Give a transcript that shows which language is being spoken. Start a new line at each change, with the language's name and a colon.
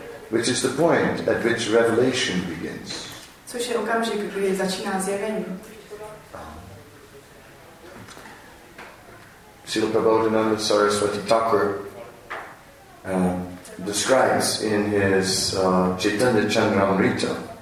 English: Which is the point at which revelation begins.
Czech: Což je okamžik, kdy začíná zjevení.
English: Srila Prabhupada Saraswati Thakur describes in his Chaitanya Charitamrita.